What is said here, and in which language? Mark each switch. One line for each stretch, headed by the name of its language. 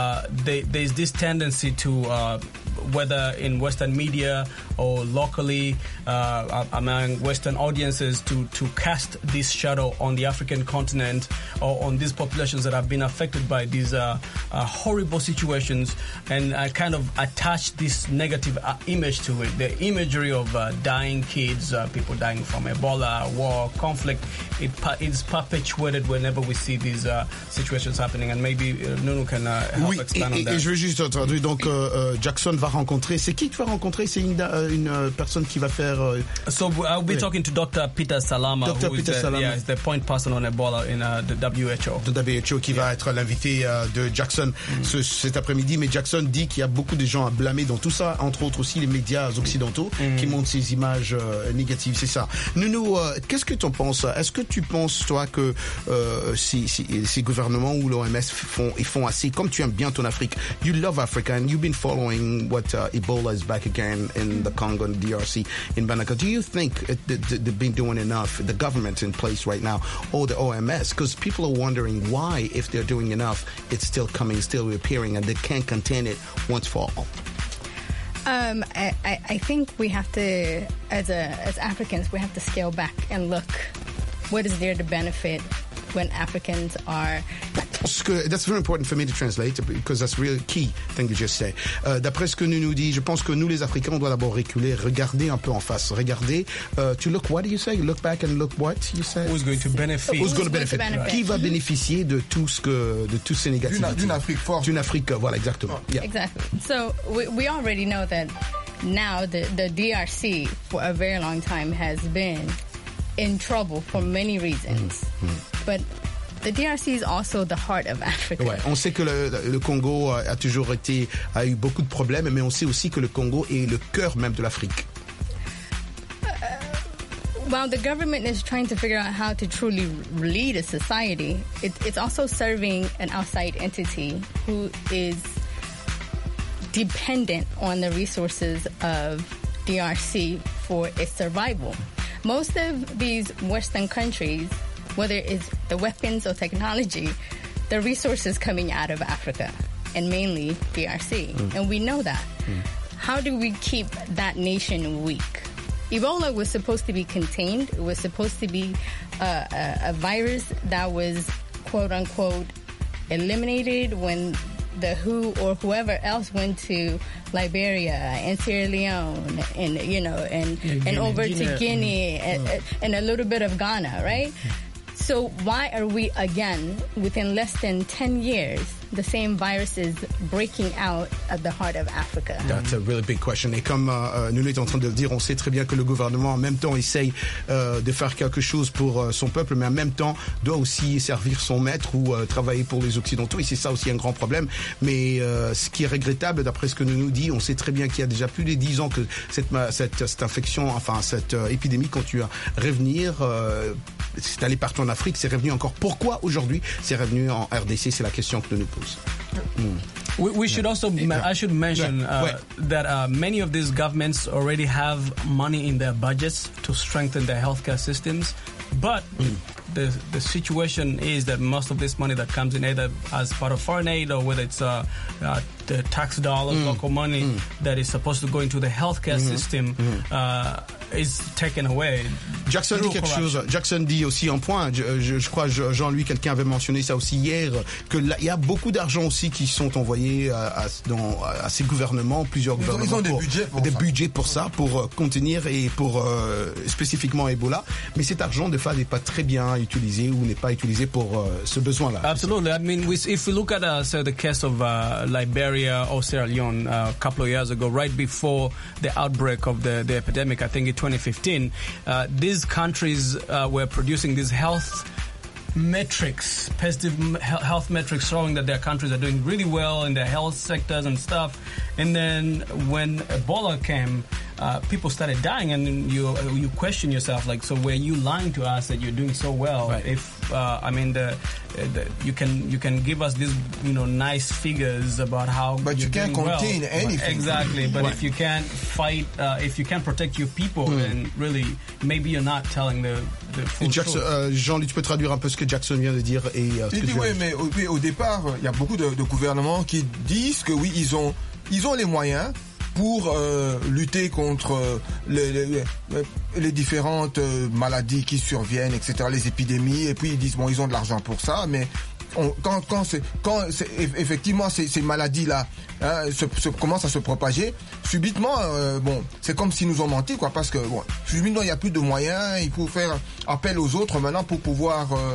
English: there's this tendency to, whether in Western media or locally among Western audiences, to cast this shadow on the African continent or on these populations that have been affected by these horrible situations, and I kind of attach this negative image to it. The imagery of dying kids, people dying from Ebola, war, conflict, it's perpetuated whenever we see these situations happening. And maybe Nounou can help expand on that.
French: Oui, et je veux juste traduire. Donc, Jackson va rencontrer. C'est qui tu vas rencontrer? C'est une, une personne qui va faire.
English: So I'll be talking to Dr. Peter Salama. Dr. Peter Salama. Yeah, he's the point person on Ebola in the WHO.
French: The WHO qui va être l'invité de Jackson cet après-midi. Mais Jackson dit qu'il y a beaucoup de gens à blâmer dans tout ça, entre autres aussi les médias occidentaux qui montrent ces images négatives. C'est ça. Nounou, qu'est-ce que tu en penses? Est-ce que tu penses, toi, que ces gouvernements ou l'OMS font assez? Comme tu aimes bien ton Afrique,
English: you love Africa and you've been following what Ebola is back again in the Congo and DRC in Banaka. Do you think they've been doing enough, the government in place right now, or the OMS? Because people are wondering why, if they're doing enough, it's still coming, still reappearing, and they can't contain it once for all. I think we have to, as Africans, we have to scale back and look what is there to benefit when Africans are... That's very important for me to translate because that's really key thing you just say.
French: D'après ce que nous dit, je pense que nous les Africains on doit d'abord reculer, regarder un peu en face, regarder.
English: To look what do you say? Look back and look what you say. Who's going to benefit? Who's going to benefit? Right.
French: Qui va bénéficier de tout ce que de tous ces négatifs? D'une Afrique forte. D'une Afrique, voilà exactement.
English: Yeah. Exactly. So we already know that now the DRC for a very long time has been in trouble for many reasons, but. The DRC is also the heart of Africa.
French: Ouais, on sait que le Congo a toujours été a eu beaucoup de problèmes, mais on sait aussi que le Congo est le cœur même de l'Afrique.
English: While the government is trying to figure out how to truly lead a society, it's also serving an outside entity who is dependent on the resources of DRC for its survival. Most of these Western countries, whether it's the weapons or technology, the resources coming out of Africa, and mainly DRC. Mm. And we know that. Mm. How do we keep that nation weak? Ebola was supposed to be contained. It was supposed to be a virus that was, quote unquote, eliminated when the WHO or whoever else went to Liberia and Sierra Leone and, you know, and over to Guinea and a little bit of Ghana, right? So why are we again, within less than 10 years, the same viruses breaking out at the heart of Africa? That's a really big question.
French: Et comme Nuno est en train de le dire, on sait très bien que le gouvernement, en même temps, essaye de faire quelque chose pour son peuple, mais en même temps, doit aussi servir son maître ou travailler pour les Occidentaux. Et c'est ça aussi un grand problème. Mais ce qui est regrettable, d'après ce que Nuno dit, on sait très bien qu'il y a déjà plus de 10 ans que cette infection, enfin cette épidémie, continue à revenir. C'est allé partout en Afrique, c'est revenu encore. Pourquoi aujourd'hui c'est revenu en RDC? C'est la question que nous posons.
English: We should also, I should mention that many of these governments already have money in their budgets to strengthen their healthcare systems, but the situation is that most of this money that comes in either as part of foreign aid or whether it's the tax dollars, local money that is supposed to go into the healthcare system. Is taken away.
French: Jackson dit quelque chose. Jackson dit aussi un point. Je crois Jean-Louis, quelqu'un avait mentionné ça aussi hier, que il y a beaucoup d'argent aussi qui sont envoyés à ces gouvernements, plusieurs gouvernements. Ils ont des budgets pour contenir et pour spécifiquement Ebola. Mais cet argent de fait n'est pas très bien utilisé ou n'est pas utilisé pour ce besoin-là.
English: Absolutely. I mean, if we look at the case of Liberia or Sierra Leone a couple of years ago, right before the outbreak of the epidemic, I think. 2015, these countries were producing these health metrics, positive health metrics showing that their countries are doing really well in their health sectors and stuff. And then when Ebola came, people started dying, and you question yourself, like, so were you lying to us that you're doing so well? Right. If you can give us these, you know, nice figures about how, but you're you can't doing contain well. Anything. Exactly, but if you can't fight, if you can't protect your people, then really maybe you're not telling the full Jackson, truth.
French: Jean-Louis, tu peux traduire un peu ce que Jackson vient de dire et. Au départ, il y a beaucoup de gouvernements qui disent que oui, ils ont les moyens pour lutter contre les différentes maladies qui surviennent, etc., les épidémies, et puis ils disent, bon, ils ont de l'argent pour ça, mais quand c'est effectivement ces maladies-là commencent à se propager, subitement, c'est comme s'ils nous ont menti, quoi, parce que, bon, subitement, il n'y a plus de moyens, il faut faire appel aux autres maintenant pour pouvoir...